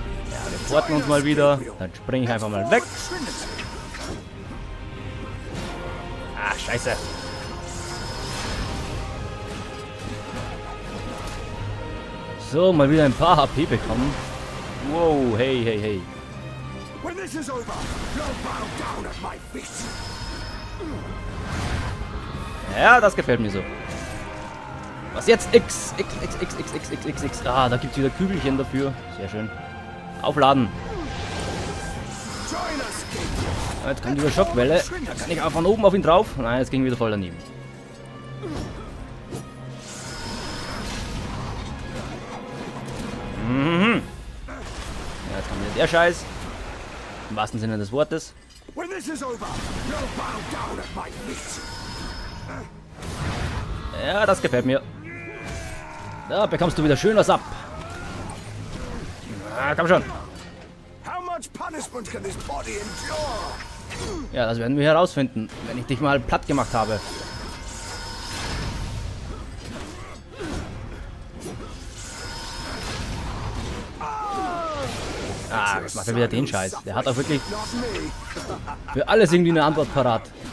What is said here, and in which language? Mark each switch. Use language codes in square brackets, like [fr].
[de] Ja, wir porten uns mal wieder. Dann springe ich einfach mal weg. Ah, scheiße. So, mal wieder ein paar HP bekommen. Wow, hey, hey, hey. [en] When this is over, you'll bow down at my feet. [de] Ja, das gefällt mir so. Was jetzt? X, X, X, X, X, X, X, X, X. Ah, da gibt's wieder Kügelchen dafür. Sehr schön. Aufladen. Jetzt kommt die Schockwelle. Da kann ich auch von oben auf ihn drauf. Nein, es ging wieder voll daneben. Mhm. Ja, jetzt kommt wieder der Scheiß. Im wahrsten Sinne des Wortes. [en] When this is over, you'll bow down at my feet. [de] Ja, das gefällt mir. Da bekommst du wieder schön was ab. Ah, komm schon. [en] How much punishment can this body endure? [de] Ja, das werden wir herausfinden, wenn ich dich mal platt gemacht habe. Ah, jetzt macht er wieder den Scheiß. Der hat auch wirklich für alles irgendwie eine Antwort parat.